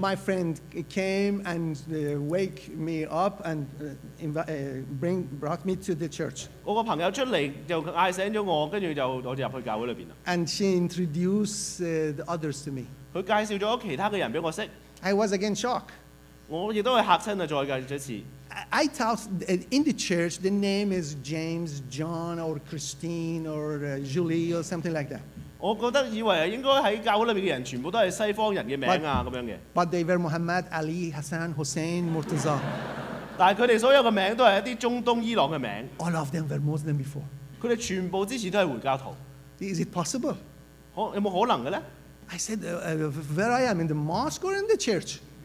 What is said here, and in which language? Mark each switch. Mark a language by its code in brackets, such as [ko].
[en] My friend came and wake me up and brought me to the church. [yue] 我個朋友出嚟就嗌醒咗我，跟住就我就入去教會裏邊啦。 [en] And she introduced the others to me. [yue] 佢介紹咗其他嘅人俾我識。 [en] I was again shocked. [yue] 我亦都係嚇親啊！再一次。 [en] I thought in the church the name is James, John, or Christine, or Julie, or something like that. [yue] 我覺得以為應該喺教會裏邊嘅人全部都係西方人嘅名啊咁樣嘅。 [en] But they were Muhammad, Ali, Hassan, Hussein, Murtaza. [yue] 但係佢哋所有嘅名都係一啲中東伊朗嘅名。 [en] All of them were Muslim before. [yue] 佢哋全部之前都係回教徒。 [en] Is it possible? [yue] 有冇可能嘅咧 [en] ？I said, where I am in the mosque or in the church?